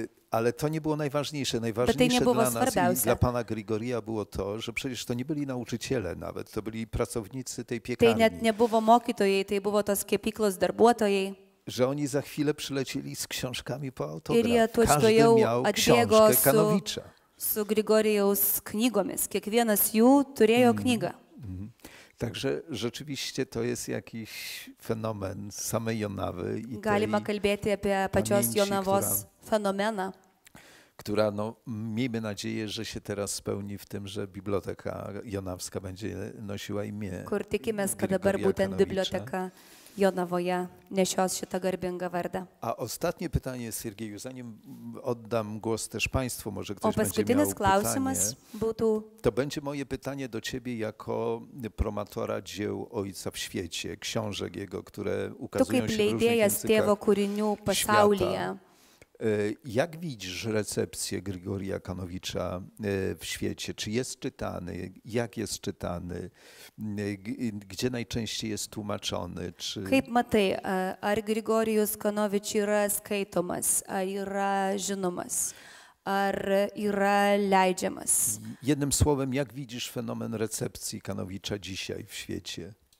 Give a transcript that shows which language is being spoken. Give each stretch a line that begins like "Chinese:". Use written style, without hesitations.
Polish: Ale to nie było najważniejsze. Najważniejsze dla nas i dla pana Grigorija było to, że przecież to nie byli nauczyciele nawet, to byli pracownicy tej piekarni.
Lithuanian: Tai net nebuvo mokytojai, tai buvo tos kepyklos darbuotojai.
Polish: Że oni za chwilę przylecieli z książkami po autograf. Każdy miał książkę Kanovičia.
Lithuanian: Su Grigorijaus knygomis. Kiekvienas jų turėjo knygą.
Polish: Także rzeczywiście to jest jakiś fenomen samej Jonawy i
Lithuanian: galima kalbėti apie pačios Jonavos fenomeną,
Polish: która no, miejmy nadzieję, że się teraz spełni w tym, że biblioteka jonawska będzie nosiła imię.
Lithuanian: Kur tikimės, kad dabar būtent biblioteka Jonavoje nešios šitą garbingą vardą.
Polish: A ostatnie pytanie, Sergeju, zanim oddam głos też Państwu, może ktoś będzie miał pytanie.
Lithuanian: O paskutinis klausimas būtų.
Polish: To będzie moje pytanie do Ciebie jako promotora dzieł Ojca w świecie, książek jego, które ukazują się w różnych językach świata. Jak widzisz recepcję Grigorija Kanovicia w świecie? Czy jest czytany? Jak jest czytany? Gdzie najczęściej jest tłumaczony? Czy...
Lithuanian: Kaip matai, ar Grigorijus Kanovič yra skaitomas, ar yra žinomas, ar yra leidžiamas?
Polish: Jednym słowem, jak widzisz fenomen recepcji Kanovicia dzisiaj w świecie?